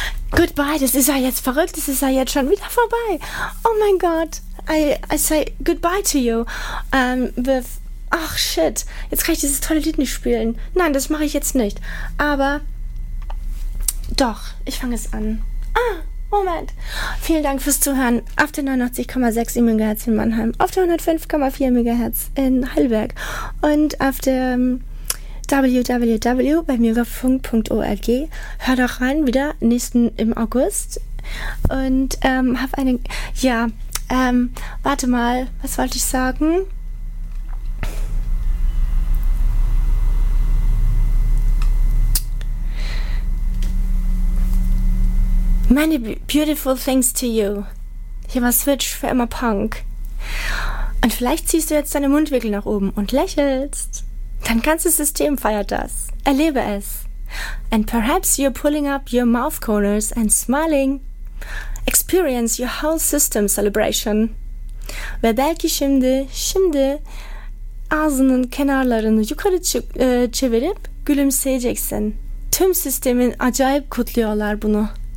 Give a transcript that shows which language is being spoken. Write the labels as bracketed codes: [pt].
[en] Goodbye, [de] das ist ja jetzt verrückt, das ist ja jetzt schon wieder vorbei. Oh mein Gott, [en] I say goodbye to you. With, [de] ach shit, jetzt kann ich dieses tolle Lied nicht spielen. Nein, das mache ich jetzt nicht. Aber, doch, ich fange es an. Ah, Moment. Vielen Dank fürs Zuhören auf der 89,6 MHz in Mannheim, auf der 105,4 MHz in Heidelberg und auf der www.bemyogafunk.org. Hör doch rein, wieder nächsten im August. Und hab eine... Ja, warte mal, was wollte ich sagen? [en] Many beautiful things to you. [de] Hier war Switch für immer Punk. Und vielleicht ziehst du jetzt deine Mundwinkel nach oben und lächelst. Dein ganzes System feiert das. Erlebe es. [en] And perhaps you're pulling up your mouth corners and smiling. Experience your whole system celebration. [tr] Ve belki şimdi ağzının kenarlarını yukarı çevirip gülümseyeceksin. Tüm sistemin acayip kutluyorlar bunu.